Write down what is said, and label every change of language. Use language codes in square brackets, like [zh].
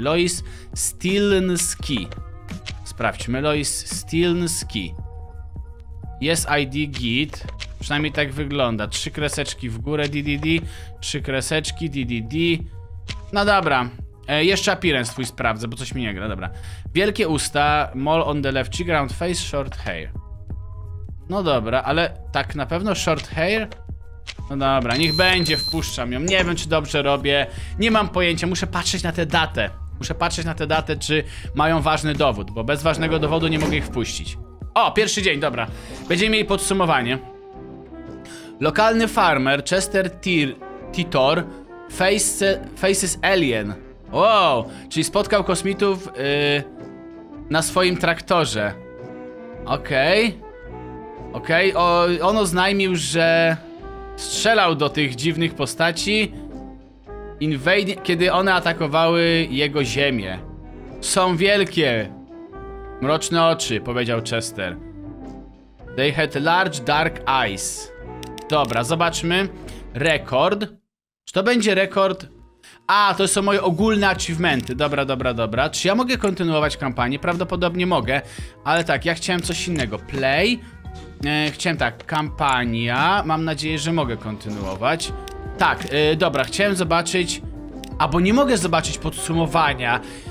[pl] Lois Stilnski. Sprawdźmy, Lois Stilnski. Jest ID git, przynajmniej tak wygląda. Trzy kreseczki w górę, DDD. Trzy kreseczki, DDD. No dobra, jeszcze appearance twój sprawdzę, bo coś mi nie gra, dobra. Wielkie usta, [en] mole on the left cheek, round face, short hair. [pl] No dobra, ale tak na pewno [en] short hair? [pl] No dobra, niech będzie, wpuszczam ją. Nie wiem, czy dobrze robię, nie mam pojęcia, muszę patrzeć na tę datę. Muszę patrzeć na tę datę, czy mają ważny dowód, bo bez ważnego dowodu nie mogę ich wpuścić. O, pierwszy dzień, dobra. Będziemy mieli podsumowanie. Lokalny farmer, Chester Titor, [en] faces alien. [pl] Wow, czyli spotkał kosmitów na swoim traktorze. Okej. On oznajmił, że strzelał do tych dziwnych postaci, kiedy one atakowały jego ziemię. Są wielkie. Mroczne oczy, powiedział Chester. [en] They had large dark eyes. [pl] Dobra, zobaczmy. Rekord. Czy to będzie rekord? A, to są moje ogólne achievementy. Dobra. Czy ja mogę kontynuować kampanię? Prawdopodobnie mogę. Ale tak, ja chciałem coś innego. Play. Chciałem tak, kampania. Mam nadzieję, że mogę kontynuować. Tak, dobra, chciałem zobaczyć. A, bo nie mogę zobaczyć podsumowania.